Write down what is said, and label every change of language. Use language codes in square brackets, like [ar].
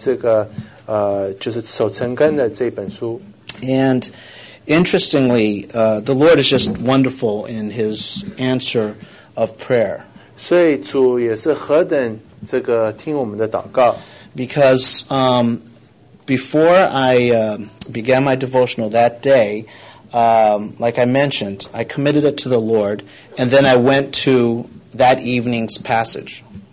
[zh] 所以我最近也在读斯布珍的这个，就是守晨更的这本书。 [en] And interestingly, the Lord is just wonderful in His answer of prayer. [zh] 所以主也是何等这个听我们的祷告。 [en] Because before I began my devotional that day, like I mentioned, I committed it to the Lord, and then I went to that evening's passage.